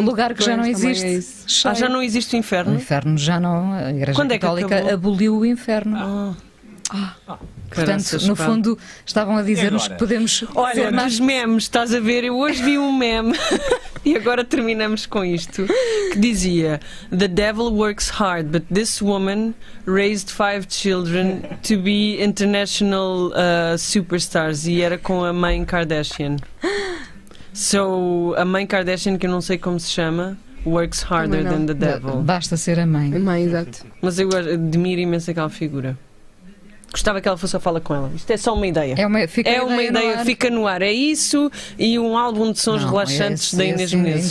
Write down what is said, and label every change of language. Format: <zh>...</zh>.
<pt>Lugar que já não existe. É ah, já não existe o inferno? O inferno já não. A Igreja Quando Católica é que aboliu o inferno. Portanto, no fundo, estavam a dizer-nos que podemos... Olha, ser mais... dos memes, estás a ver? Eu hoje vi um meme e agora terminamos com isto. Que dizia:</pt> <en>"The devil works hard, but this woman raised 5 children to be international superstars."</en> <pt>E era com a mãe Kardashian. So, a mãe Kardashian, que eu não sei como se chama...</pt> <en>works harder than the devil.</en> <pt>Basta ser a mãe. A mãe, exato. Mas eu admiro imenso aquela figura. Gostava que ela fosse a falar com ela. Isto é só uma ideia. É uma ideia, fica no ar. É isso e um álbum de sons relaxantes da Inês Meneses.</pt>